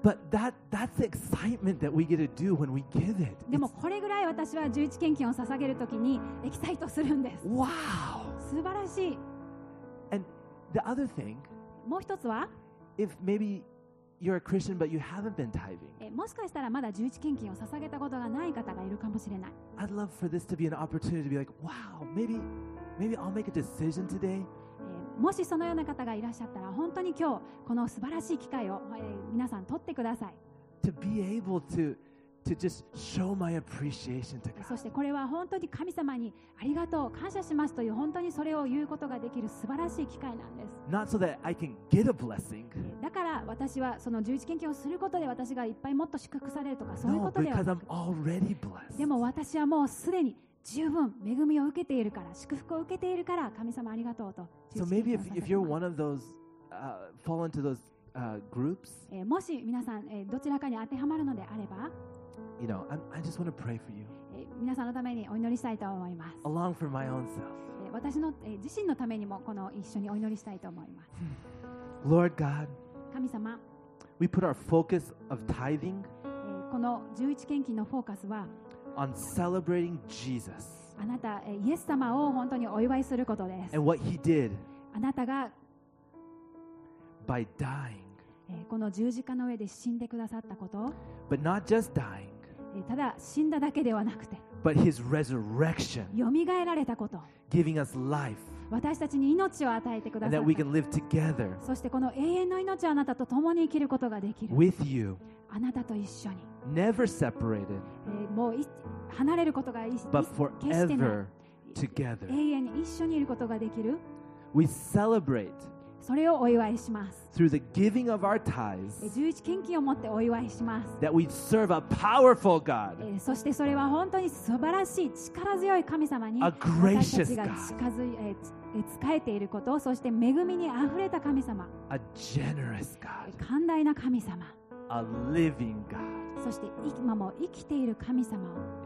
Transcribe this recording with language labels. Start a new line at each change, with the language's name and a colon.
English: But that's the excitement that we get to do when we give it.
Japanese: でもこれぐらい私は十字献金を捧げるときにエキサイトするんです。
English: Wow.
Japanese: 素晴らしい。
English: And the other thing.
Japanese: もう一つは、
English: If maybe you're a Christian but you haven't been tithing,
Japanese: もしかしたらまだ十一献金を捧げたことがない方がいるかもしれない。
English: I'd love for this to be an opportunity to be like, wow, maybe I'll make a decision today.
Japanese: もしそのような方がいらっしゃったら、本当に今日この素晴らしい機会を、皆さん取ってください。
English: To be able to just show my appreciation to God.
Japanese: そしてこれは本当に神様にありがとう感謝しますという本当にそれを言うことができる素晴らしい機会なんです。
English: Not so that I can get a blessing.
Japanese: だから私はその十一献金をすることで私がいっぱいもっと祝福されるとかそういうことではなく。
English: No, because I'm already blessed.
Japanese: でも私はもうすでに十分恵みを受けているから祝福を受けているから神様ありがとうと。
English: So maybe if you're one of those, fall into those, groups.
Japanese: もし皆さん、どちらかに当てはまるのであれば。
English: You know, I just want to pray for you.
Japanese: 皆さんのためにお祈りしたいと思います。
English: Along for my own self.
Japanese: 私の自身のためにもこの一緒にお祈りしたいと思います。
English: Lord God,
Japanese: 神様、
English: we put our focus of tithing.
Japanese: この十一献金のフォーカスは、
English: on celebrating Jesus.
Japanese: あなた、イエス様を本当にお祝いすることです。
English: And what He did.
Japanese: あなたが、
English: by dying.
Japanese: この十字架の上で死んでくださったこと。
English: But not just dying.
Japanese: ただ死んだだけではなくて、
English: But his resurrection,
Japanese: よみがえられたこと、
English: giving us life,
Japanese: 私たちに命を与えてくださった、
English: and that we can live together,
Japanese: そしてこの永遠の命をあなたと共に生きることができる、
English: with you,
Japanese: あなたと一緒に、
English: never separated,
Japanese: もう離れることが
English: but forever together,
Japanese: 永遠に一緒にいることができる、
English: we celebrate.
Japanese: それをお祝いします。
English: Through the giving of our tithes,
Japanese: 十一献金を持ってお祝いします。
English: That we serve a powerful God.
Japanese: そしてそれは本当に素晴らしい力強い神様に
English: a gracious
Japanese: 私たちが近づい、使えていること、そして恵みにあふれた神様。
English: A generous God.
Japanese: 寛大な神様。
English: A living God.
Japanese: そして今も生きている神様を。